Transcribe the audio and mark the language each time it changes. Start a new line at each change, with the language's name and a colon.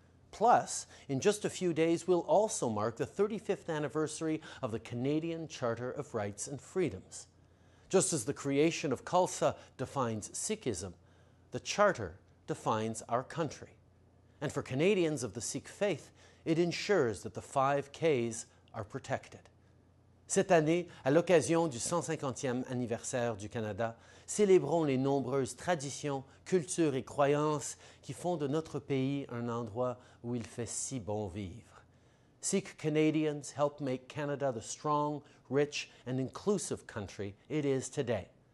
English: Plus, in just a few days, we'll also mark the 35th anniversary of the Canadian Charter of Rights and Freedoms. Just as the creation of Khalsa defines Sikhism, the Charter defines our country. And for Canadians of the Sikh faith, it ensures that the 5 Ks are protected.
French: Cette année, à l'occasion du 150e anniversaire du Canada, célébrons les nombreuses traditions, cultures et croyances qui font de notre pays un endroit où il fait si bon vivre.
English: Sikh Canadians help make Canada the strong, rich and inclusive country it is today.